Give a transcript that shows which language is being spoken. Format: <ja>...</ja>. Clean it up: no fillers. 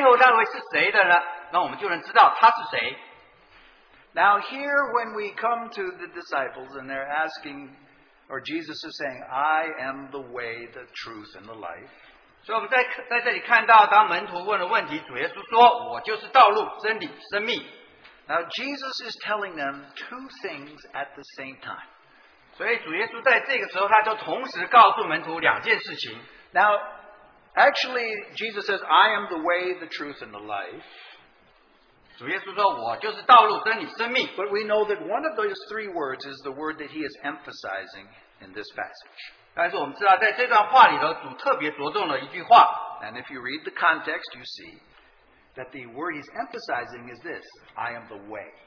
<zh>所以当我们来寻求做这些种种事情背后那位是谁的呢，那我们就能知道他是谁。</zh> <en>Now here when we come to the disciples and they're asking, or Jesus is saying, I am the way, the truth, and the life.</en> <zh>所以我们在这里看到当门徒问了问题，主耶稣说，我就是道路、真理、生命。</zh> <en>Now Jesus is telling them two things at the same time.</en> <zh>所以主耶稣在这个时候，他就同时告诉门徒两件事情。</zh> <en>Now, actually, Jesus says, I am the way, the truth, and the life.</en> <zh>主耶稣说，我就是道路、真理、生命。</zh> <en>But we know that one of those three words is the word that he is emphasizing in this passage.</en> <zh>但是我们知道，在这段话里头，主特别着重了一句话。</zh> <en>And if you read the context, you see that the word he's emphasizing is this, I am the way.</en>